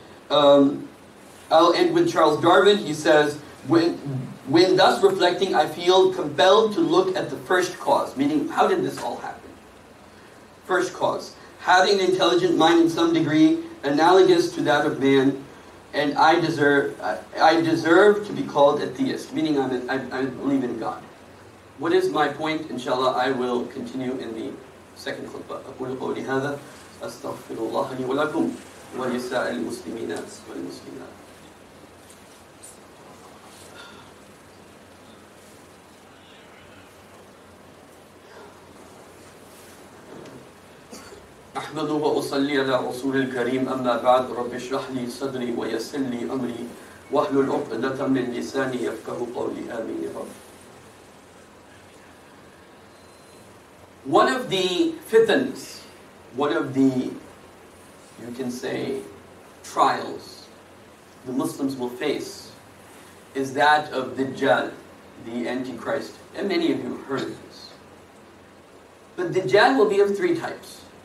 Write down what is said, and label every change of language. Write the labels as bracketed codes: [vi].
[en] I'll end with Charles Darwin. He says, when thus reflecting, I feel compelled to look at the first cause, meaning, how did this all happen? First cause. Having an intelligent mind in some degree, analogous to that of man, and I deserve to be called a theist, meaning I believe in God. What is my point? Inshallah, I will continue in the second khutbah. [ar] أقول قولي هذا أستغفر الله لي ولكم ولسائر المسلمين والمسلمات. أحمد وأصلي على رسول الكريم أما بعد رب اشرح لي صدري ويسر لي أمري واحلل عقدة من لساني يفقهوا قولي آمين يا رب. [en] One of the fitans, one of the, you can say, trials the Muslims will face is that of Dajjal, the Antichrist. And many of you heard of this. But Dajjal will be of three types.